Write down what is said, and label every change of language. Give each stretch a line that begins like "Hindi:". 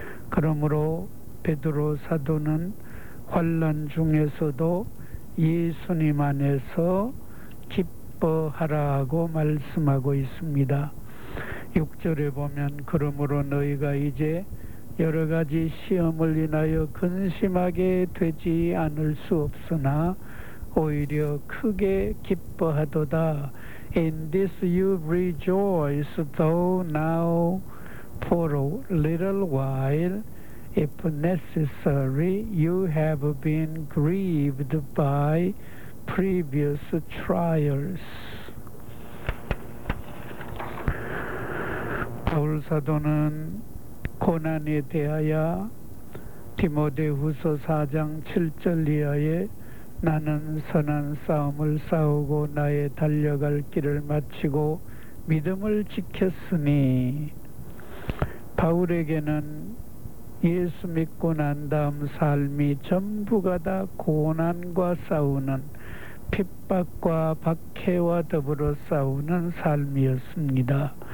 Korean: 그러므로 베드로 사도는 환난 중에서도 예수님 안에서 기뻐하라고 말씀하고 있습니다. 6절에 보면 그러므로 너희가 이제 여러 가지 시험을 인하여 근심하게 되지 않을 수 없으나 오히려 크게 기뻐하도다.
English: In this you rejoice, though now for a little while, if necessary, you have been grieved by previous trials.
Korean: 바울 사도는 고난에 대하여 디모데후서 4장 7절 이하에 나는 선한 싸움을 싸우고 나의 달려갈 길을 마치고 믿음을 지켰으니, 바울에게는 예수 믿고 난 다음 삶이 전부가 다 고난과 싸우는, 핍박과 박해와 더불어 싸우는 삶이었습니다.